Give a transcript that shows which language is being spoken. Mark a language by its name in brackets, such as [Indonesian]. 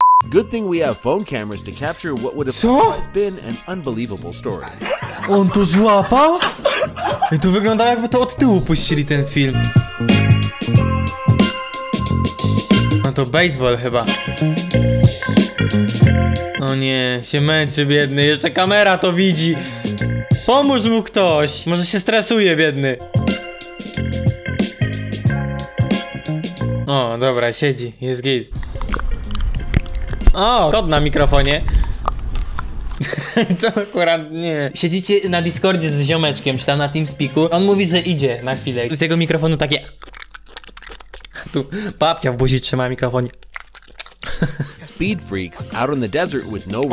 [English] Good thing we have phone cameras to capture what would have been an unbelievable story. [Polish] On to złapał? I to wyglądało, jakby to od tyłu puścili ten film. No to baseball chyba. O nie, się męczy biedny, jeszcze kamera to widzi. Pomóż mu ktoś, może się stresuje biedny. O, dobra, siedzi, jest git. O, kod na mikrofonie. To akurat nie. Siedzicie na Discordzie z ziomeczkiem, czy tam na TeamSpeaku. On mówi, że idzie na chwilę. Z jego mikrofonu takie. Tu babcia w buzi trzyma mikrofon. [English] Speed freaks out in the desert with no road.